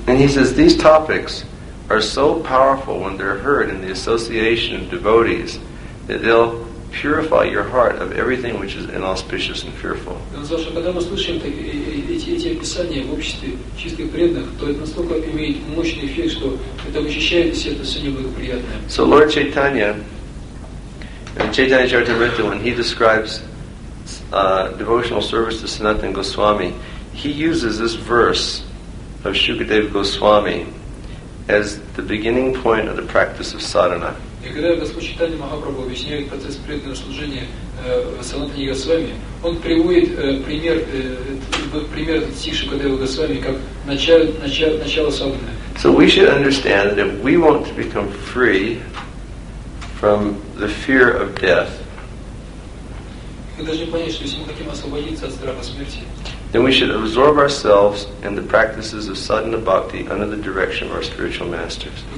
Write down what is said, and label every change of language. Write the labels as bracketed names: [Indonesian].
[English] And he says, these topics are so powerful when they're heard in the association of devotees that they'll purify your heart of everything which is inauspicious and fearful. [Russian] Он сказал, что когда мы слышим эти писания в обществе чистых преданных, то это настолько имеет мощный эффект, что это вычищает все это все неблагоприятное. [English] So Lord Chaitanya, Chaitanya Charitamrita, when he describes devotional service to Sanatana Goswami, he uses this verse of Shukadeva Goswami as the beginning point of the practice of sadhana. [Russian] И когда Господь Чайтанья Махапрабху объясняет процесс преданного служения Санатане Госвами, он приводит пример этот стих Шукадева Госвами как начало сабхана. [English] So we should understand that if we want to become free from the fear of death, [Russian] мы должны понять, что если мы хотим освободиться от страха смерти, [English] then we should absorb ourselves in the practices of sadhana bhakti under the direction of our spiritual masters.